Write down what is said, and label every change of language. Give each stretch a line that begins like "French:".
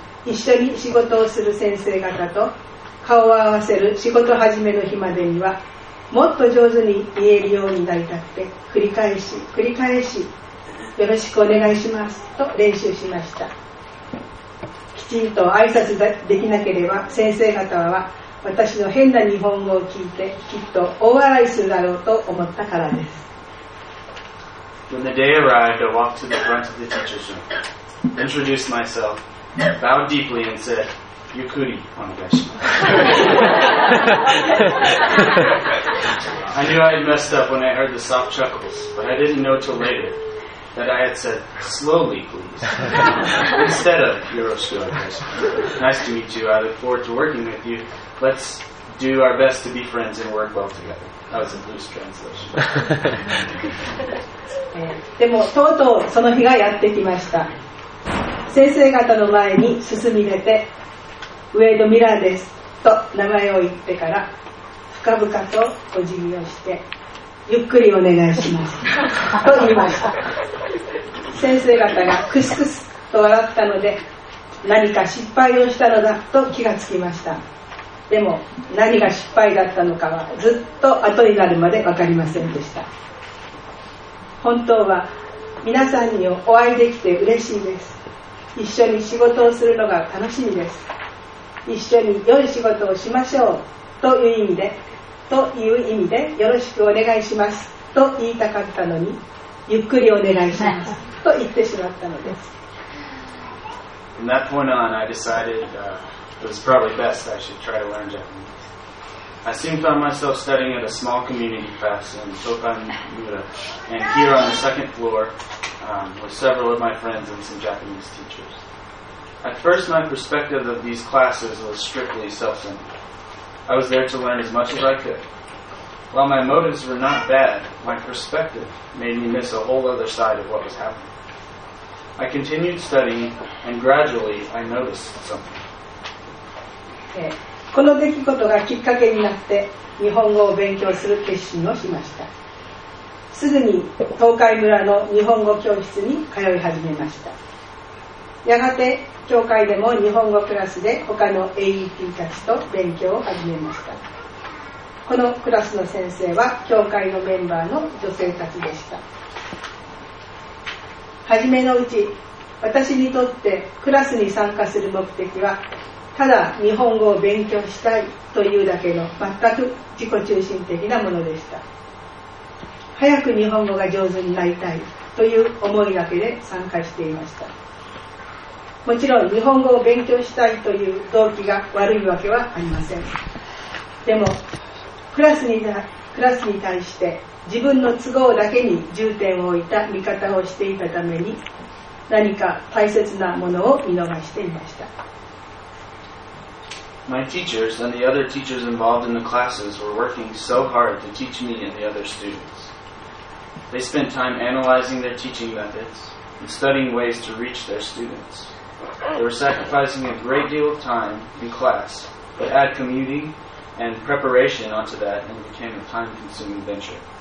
Japanese: 一緒に仕事をする先生方と顔を合わせる仕事始めの日までには、もっと上手に言えるようになりたくて、繰り返し繰り返しよろしくお願いしますと練習しました。きちんと挨拶ができなければ、先生方は私の変な日本語を聞いてきっと大笑いするだろうと思ったからです。
English: When the day arrived, I walked to the front of the teacher's room, introduced myself, bowed deeply and said
Japanese: ゆっくりお願いします。
English: I knew I had messed up when I heard the soft chuckles, but I didn't know till later that I had said slowly please instead of
Japanese: よろしくお願いします。
English: Nice to meet you. I look forward to working with you. Let's do our best to be friends and work well together. That was a loose translation.
Japanese: でもとうとうその日がやってきました。先生方の前に進み出て、ウェイド・ミラーですと名前を言ってから、深々とお辞儀をしてゆっくりお願いしますと言いました。先生方がクスクスと笑ったので、何か失敗をしたのだと気がつきました。でも何が失敗だったのかはずっと後になるまで分かりませんでした。本当は皆さんにお会いできて嬉しいです。一緒に仕事をするのが楽しみです。一緒に良い仕事をしましょうという意味で、という意味でよろしくお願いしますと言いたかったのに、ゆっくりお願いしますと言ってしまったのです。
English: From that point on, I decided it was probably best I should try to learn Japanese. I soon found myself studying at a small community fest in Tokanmura, and here on the second floor with several of my friends and some Japanese teachers. At first, my perspective of these classes was strictly self-centered. I was there to learn as much as I could. While my motives were not bad, my perspective made me miss a whole other side of what was happening. I continued studying, and gradually, I noticed something.
Japanese: この出来事がきっかけになって、日本語を勉強する決心をしました。すぐに東海村の日本語教室に通い始めました。やがて、教会でも日本語クラスで他の AET たちと勉強を始めました。このクラスの先生は教会のメンバーの女性たちでした。はじめのうち、私にとってクラスに参加する目的は、ただ日本語を勉強したいというだけの全く自己中心的なものでした。早く日本語が上手になりたいという思いだけで参加していました。もちろん日本語を勉強したいという動機が悪いわけはありません。でもクラスに対して自分の都合だけに重点を置いた見方をしていたために何か大切なものを見逃していました。
English: My teachers and the other teachers involved in the classes were working so hard to teach me and the other students. They spent time analyzing their teaching methods and studying ways to reach their students. They were sacrificing a great deal of time in class, but add commuting and preparation onto that and it became a time-consuming venture.